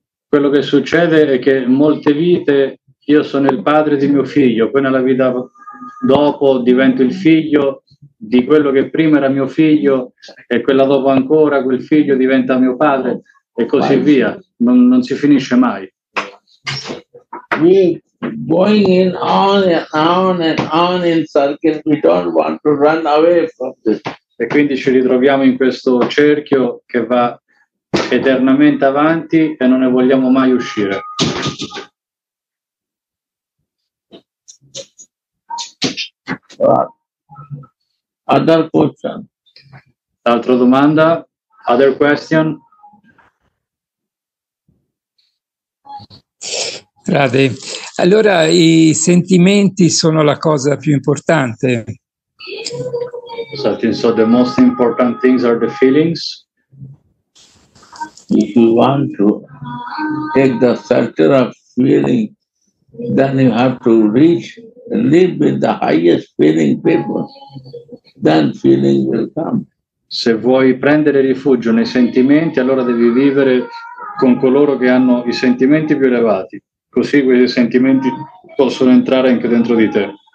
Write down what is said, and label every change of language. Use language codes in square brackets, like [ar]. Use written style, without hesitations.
[it] Quello che succede è che molte vite. Io sono il padre di mio figlio, poi nella vita dopo divento il figlio di quello che prima era mio figlio e quella dopo ancora quel figlio diventa mio padre e così via. Non si finisce mai. [en] We going in on and on and on in circle. We don't want to run away from this. [it] E quindi ci ritroviamo in questo cerchio che va eternamente avanti e non ne vogliamo mai uscire. [en] Other question. [it] Altra domanda? [en] Other question? [it] Frate, allora i sentimenti sono la cosa più importante. [en] So the most important things are the feelings. If you want to take the center of feeling, then you have to reach. Live with the highest feeling people, then feeling will come. [it] Se vuoi prendere rifugio nei sentimenti, allora devi vivere con coloro che hanno i sentimenti più elevati, così questi sentimenti possono entrare anche dentro di te.